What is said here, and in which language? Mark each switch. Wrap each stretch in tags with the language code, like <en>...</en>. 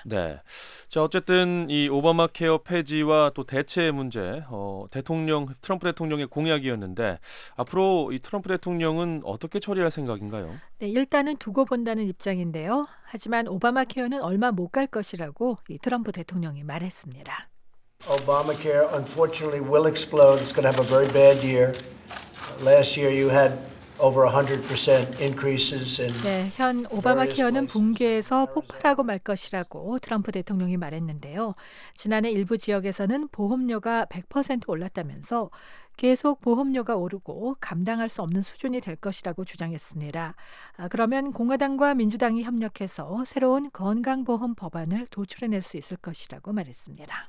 <ko>네, 자 어쨌든 이 오바마 케어 폐지와 또 대체 문제 대통령 트럼프 대통령의 공약이었는데 앞으로 이 트럼프 대통령은 어떻게 처리할 생각인가요? 네, 일단은 두고 본다는 입장인데요. 하지만 오바마 케어는 얼마 못 갈 것이라고 이 트럼프 대통령이 말했습니다.</ko> <en>Obamacare unfortunately will explode. It's going to have a very bad year. Last year you had over 100% increases in</en> <ko>네, 현 오바마 케어는 붕괴해서 폭발하고 말 것이라고 트럼프 대통령이 말했는데요. 지난해 일부 지역에서는 보험료가 100% 올랐다면서 계속 보험료가 오르고 감당할 수 없는 수준이 될 것이라고 주장했습니다. 그러면 공화당과 민주당이 협력해서 새로운 건강보험 법안을 도출해낼 수 있을 것이라고 말했습니다.</ko>